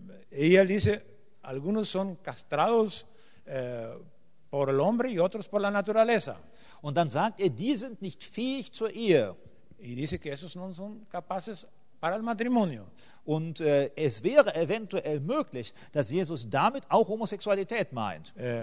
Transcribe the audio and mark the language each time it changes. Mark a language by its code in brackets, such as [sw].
[es] Y él dice, algunos son castrados por el hombre y otros por la naturaleza. [de] Und dann sagt er, die sind nicht fähig zur Ehe. [es] Y dice que esos no son capaces para el matrimonio. [de] Und es wäre eventuell möglich, dass Jesus damit auch Homosexualität meint.